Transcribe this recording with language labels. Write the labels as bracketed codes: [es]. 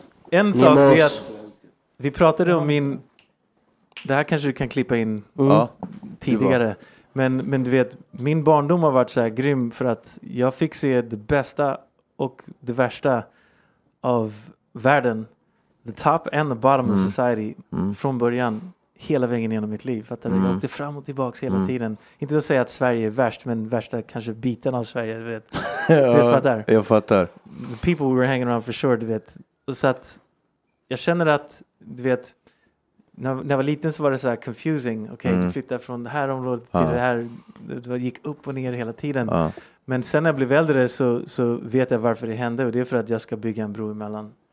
[sv] En sak är att vi pratade om min, det här kanske du kan klippa in tidigare, men du vet, min barndom har varit så här grym för att jag fick se det bästa och det värsta av världen, [en] the top and the bottom of society, [sv] från början, hela vägen genom mitt liv. Fattar du? Jag åkte fram och tillbaka hela tiden. Inte att säga att Sverige är värst, men värsta kanske biten av Sverige, du vet. Jag fattar. [en] The people we were hanging around for sure, [sv] du vet. Och så att jag känner att, du vet, när jag var liten så var det så här confusing. Okej, du flyttar från det här området till det här. Du gick upp och ner hela tiden. Men sen när jag blev äldre så vet jag varför det hände. Och det är för att jag ska bygga en bro emellan.